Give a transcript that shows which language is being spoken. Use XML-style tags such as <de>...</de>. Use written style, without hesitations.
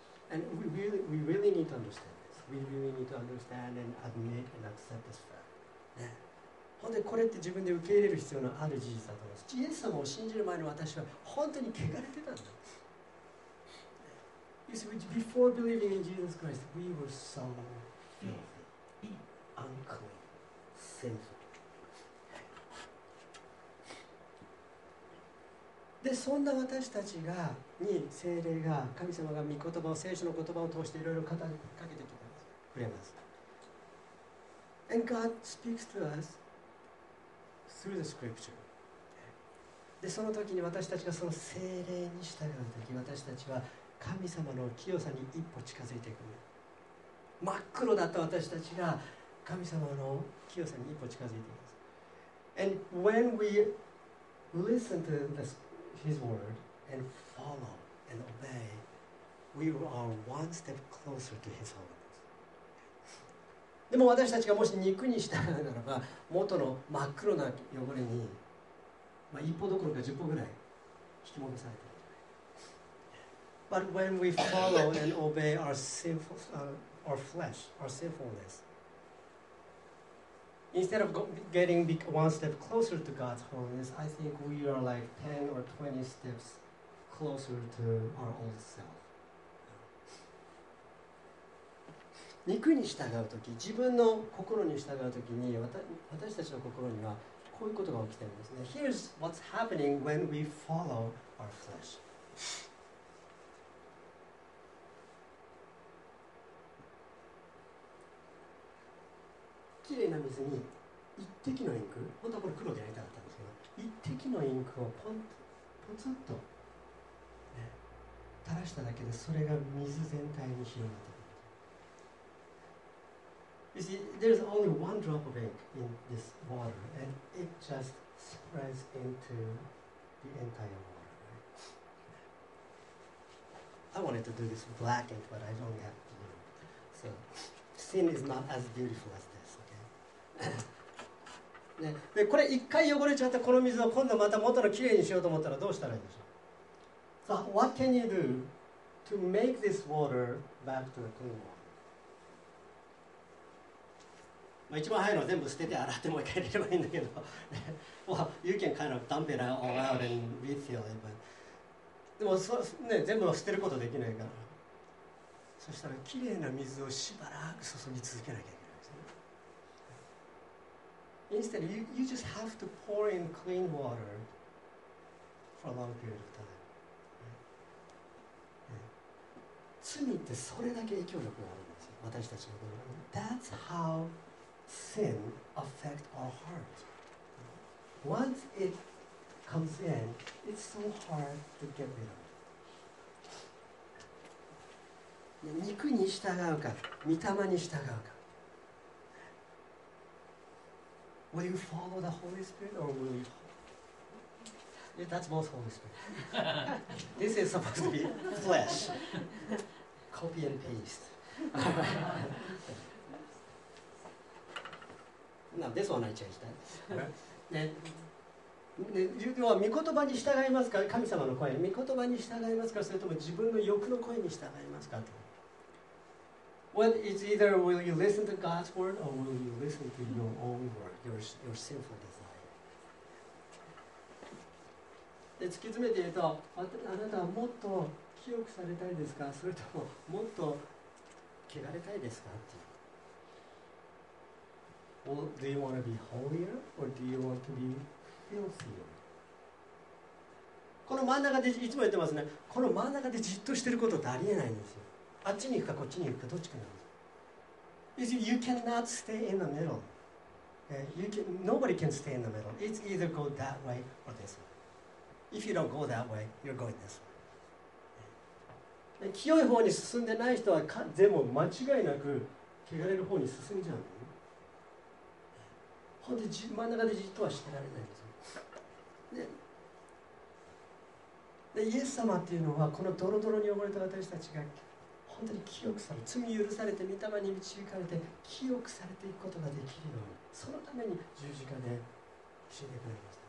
<en>And we really need to understand. We really need to understand and admit and accept this fact.</en> <ja>ね、本当にこれって自分で受け入れる必要のある事実だと思います。イエス様を信じる前の私は本当に汚れてたんだ。</ja> <en>You see, before believing in Jesus Christ, we were so filthy, unclean, sinful.</en> <ja>で、そんな私たちがに聖霊が、神様が御言葉を、聖書の言葉を通していろいろ語りかけてきた。</ja> <en>And God speaks to us through the scripture.</en> <ja>で、その時に私たちがその聖霊に従う時、私たちは神様の清さに一歩近づいていく。真っ黒だった私たちが神様の清さに一歩近づいていく。</ja> <en>And when we listen to His word and follow and obey, we are one step closer to His holy.</en> <ja>でも私たちがもし肉に従うならば、元の真っ黒な汚れに、まあ、1歩どころか10歩ぐらい引き戻されている。</ja> <en>But when we follow and obey our sinful, our flesh, our sinfulness, instead of getting one step closer to God's holiness, I think we are like 10 or 20 steps closer to our old self.</en> <ja>肉に従うとき、自分の心に従うときに、私たちの心にはこういうことが起きているんですね。</ja> <en>Here's what's happening when we follow our flesh.</en> <ja>きれいな水に一滴のインク、本当はこれ黒でやりたかったんですけど、一滴のインクをポツッと、ね、垂らしただけで、それが水全体に広がった。</ja> <en>You see, there's only one drop of ink in this water, and it just spreads into the entire water, right? I wanted to do this black ink, but I don't have blue. So, sin is not as beautiful as this, okay?</en> <ja>で、これ一回汚れちゃったこの水を今度また元のきれいにしようと思ったらどうしたらいいでしょう?</ja> <en>So, what can you do to make this water back to the clean water?</en> <ja>まあ、一番早いのは全部捨てて洗ってもう一回入れればいいんだけど、</ja> <en>well, you can kind of dump it all out and refill it, but</en> <ja>でもそう、ね、全部捨てることできないから、そしたらきれいな水をしばらく注ぎ続けなきゃいけないんですね。</ja> <en>Instead, you just have to pour in clean water for a long period of time.</en> <ja>罪ってそれだけ影響力があるんですよ、私たちのこと。</ja> <en>That's howSin affects our heart. Once it comes in, it's so hard to get rid of.</en> <ja>肉に従うか、御霊に従うか。</ja> <en>Will you follow the Holy Spirit or will you? Yeah, that's both Holy Spirit. This is supposed to be flesh. Copy and paste.</en> <ja>なんでそうなっちゃいしたいんですね。ね、要は御言葉に従いますか、神様の声、御言葉に従いますか、それとも自分の欲の声に従いますかと。</ja> <en>Well, it's either will you listen to God's word or will you listen to your own word, your sinful desire.</en> <ja>で突き詰めて言うと、あなたはもっと清くされたいですか、それとももっと汚れたいですかっていう。</ja> <en>Well, do you want to be holier or do you want to be filthier?</en> <ja>この真ん中でいつも言ってますね。この真ん中でじっとしてることってありえないんですよ。あっちに行くかこっちに行くかどっちかなんです。</ja> <en>You cannot stay in the middle. You can, nobody can stay in the middle. It's either go that way or this way. If you don't go that way, you're going this way.</en> <ja>清い方に進んでない人は全部間違いなく汚れる方に進んじゃう。ほんで真ん中でじっとはしてられないんですよ。でイエス様っていうのはこのドロドロに汚れた私たちが本当に清くされ、罪許されて御霊に導かれて清くされていくことができるように、そのために十字架で死んでくれました。</ja>